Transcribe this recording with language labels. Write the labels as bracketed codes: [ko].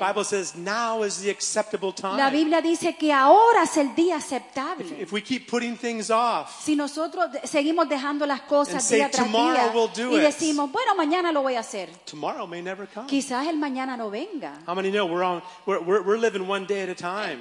[en] The Bible says now is the acceptable time. [es] La Biblia dice que ahora es el día aceptable. [en] If we keep putting things off, [es] si nosotros seguimos dejando las cosas [en] and say, tomorrow we'll do it. [es] Y decimos, bueno, mañana lo voy a hacer. [en] Tomorrow may never come. [es] Quizás el mañana no venga. [en] How many know we're living one day at a time?